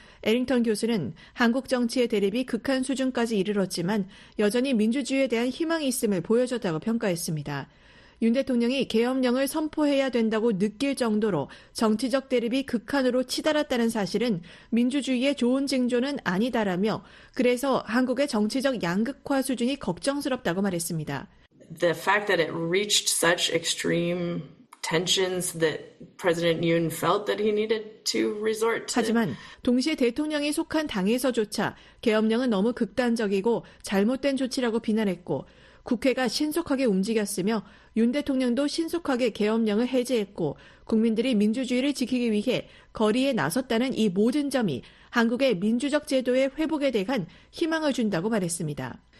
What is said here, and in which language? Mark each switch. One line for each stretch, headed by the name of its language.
Korean: 에링턴 교수는 한국 정치의 대립이 극한 수준까지 이르렀지만 여전히 민주주의에 대한 희망이 있음을 보여줬다고 평가했습니다. 윤 대통령이 계엄령을 선포해야 된다고 느낄 정도로 정치적 대립이 극한으로 치달았다는 사실은 민주주의의 좋은 징조는 아니다라며 그래서 한국의 정치적 양극화 수준이 걱정스럽다고 말했습니다.
English: The fact that it reached such extreme tensions that President Yoon felt that he needed to resort to.
Korean: 하지만 동시에 대통령이 속한 당에서조차 계엄령은 너무 극단적이고 잘못된 조치라고 비난했고 국회가 신속하게 움직였으며 윤 대통령도 신속하게 계엄령을 해제했고 국민들이 민주주의를 지키기 위해 거리에 나섰다는 이 모든 점이 한국의 민주적 제도의 회복에 대한 희망을 준다고 말했습니다.